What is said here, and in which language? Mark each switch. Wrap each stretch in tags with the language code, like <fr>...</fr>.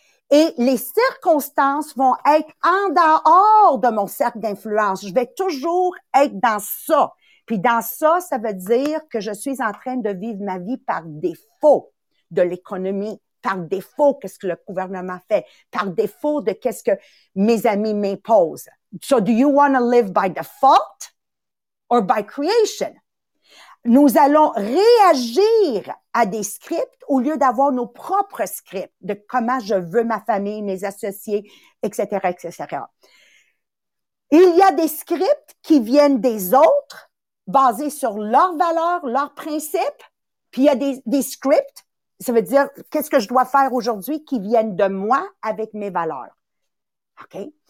<fr>Et les circonstances vont être en dehors de mon cercle d'influence. Je vais toujours être dans ça. Puis dans ça, ça veut dire que je suis en train de vivre ma vie par défaut de l'économie, par défaut qu'est-ce que le gouvernement fait, par défaut de qu'est-ce que mes amis m'imposent.</fr> <en>So do you want to live by default or by creation?</en> <fr>Nous allons réagir à des scripts au lieu d'avoir nos propres scripts de comment je veux ma famille, mes associés, etc., etc. Il y a des scripts qui viennent des autres, basé sur leurs valeurs, leurs principes, puis il y a des scripts, ça veut dire qu'est-ce que je dois faire aujourd'hui qui viennent de moi avec mes valeurs. OK?</fr>